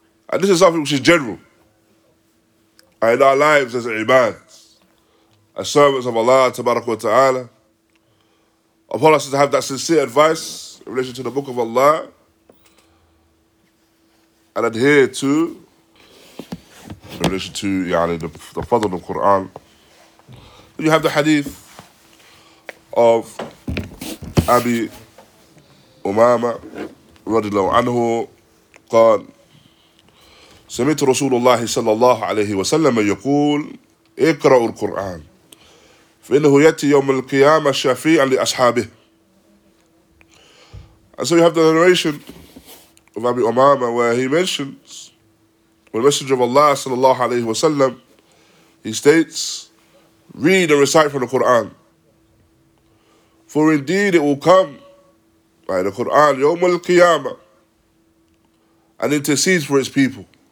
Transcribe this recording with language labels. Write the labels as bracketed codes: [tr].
[en] And this is something which is general. And in our lives as ibad, as servants of Allah, tabarak wa ta'ala, upon us to have that sincere advice in relation to the book of Allah, and adhere to, in relation to the fadl of Quran. You have the hadith of Abi Umama radiallahu anhu, [ar] قال سمعت رسول الله صلى الله عليه وسلم يقول اقرأوا القرآن فإنه يأتي يوم القيامة شفيعا لأصحابه. [en] And so you have the narration of Abi Umama, where he mentions the Messenger of Allah sallallahu alayhi wa sallam, he states, read and recite from the Quran. For indeed it will come by the Quran, Yawm al-Qiyamah, and intercedes for its people.